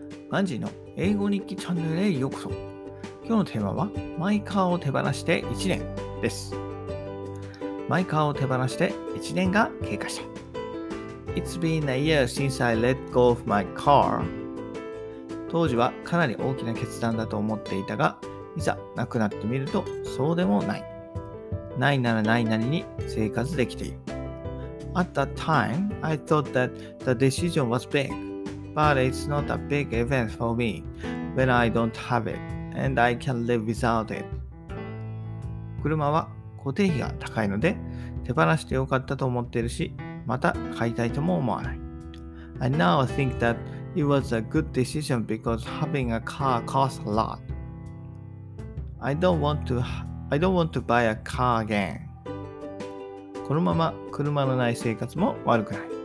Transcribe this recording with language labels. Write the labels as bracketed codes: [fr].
[ja] マンジーの英語日記チャンネルへようこそ。今日のテーマはマイカーを手放して1年です。マイカーを手放して1年が経過した。 [en] It's been a year since I let go of my car. [ja] 当時はかなり大きな決断だと思っていたが、いざなくなってみるとそうでもない。ないならないなりに生活できている。 [en] At that time, I thought that the decision was big, but it's not a big event for me when I don't have it, and I can live without it. [ja] 車は固定費が高いので手放してよかったと思っているし、また買いたいとも思わない。 [en] I now think that it was a good decision because having a car costs a lot. I don't want to buy a car again. [ja] このまま車のない生活も悪くない。